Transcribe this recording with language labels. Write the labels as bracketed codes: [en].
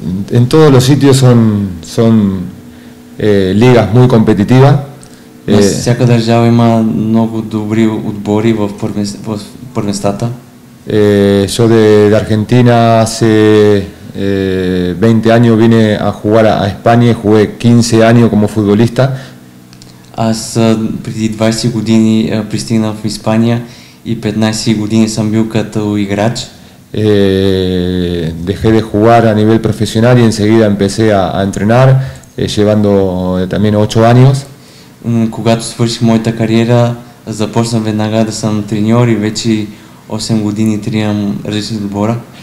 [es] En todos los sitios son ligas muy competitivas. [bg] Всяка държава има много добри отбори в първенствата. [es] Yo de Argentina hace 20 años vine a jugar a España y jugué 15 años como futbolista. [bg] Аз преди 20 години пристигнал в Испания и 15 години съм бил като играч. [es] Dejé de jugar a nivel profesional y enseguida empecé a entrenar, llevando también 8 años. [bg] Когато свърших моята кариера, започнах веднага да съм треньор и вече 8 години тренирам различни отбора.